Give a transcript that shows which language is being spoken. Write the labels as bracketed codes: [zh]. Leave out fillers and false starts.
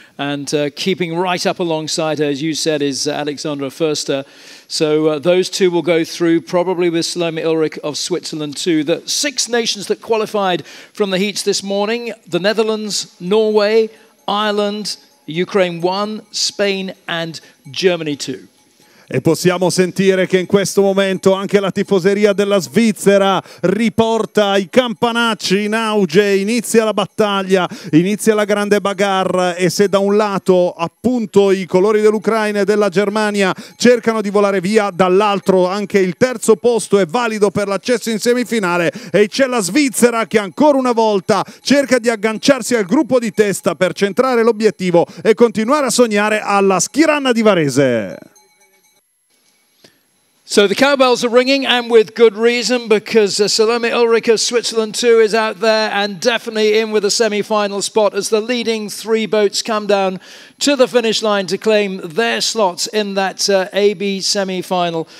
[en] And keeping right up alongside her, as you said, is Alexandra Fuster. So those two will go through, probably with Salome Ulrich of Switzerland too. The six nations that qualified from the heats this morning, the Netherlands, Norway, Ireland, Ukraine 1, Spain and Germany 2. [it] E possiamo sentire che in questo momento anche la tifoseria della Svizzera riporta i campanacci in auge, inizia la battaglia, inizia la grande bagarre, e se da un lato appunto i colori dell'Ucraina e della Germania cercano di volare via, dall'altro anche il terzo posto è valido per l'accesso in semifinale e c'è la Svizzera che ancora una volta cerca di agganciarsi al gruppo di testa per centrare l'obiettivo e continuare a sognare alla Skyrunner di Varese. [en] So the cowbells are ringing, and with good reason, because Salome Ulrich of Switzerland 2 is out there and definitely in with a semi-final spot as the leading three boats come down to the finish line to claim their slots in that AB semi-final.